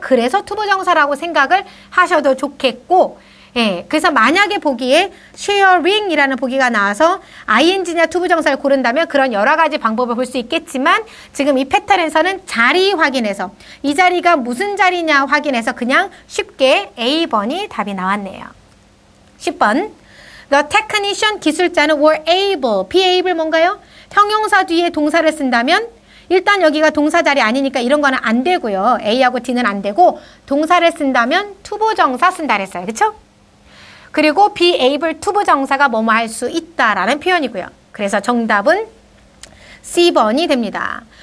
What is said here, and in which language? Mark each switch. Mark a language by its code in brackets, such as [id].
[ko] 그래서 투부정사라고 생각을 하셔도 좋겠고 예, 그래서 만약에 보기에 sharing이라는 보기가 나와서 ing냐 투부정사를 고른다면 그런 여러 가지 방법을 볼 수 있겠지만 지금 이 패턴에서는 자리 확인해서 이 자리가 무슨 자리냐 확인해서 그냥 쉽게 A번이 답이 나왔네요. [en] 10번 The technician [ko] 기술자는 [en] were able. [ko] be able 뭔가요? 형용사 뒤에 동사를 쓴다면 일단 여기가 동사 자리 아니니까 이런 거는 안 되고요. A하고 D는 안 되고 동사를 쓴다면 투부정사 쓴다 그랬어요. 그쵸? 그리고 be able 투부정사가 뭐뭐 할 수 있다라는 표현이고요. 그래서 정답은 C번이 됩니다.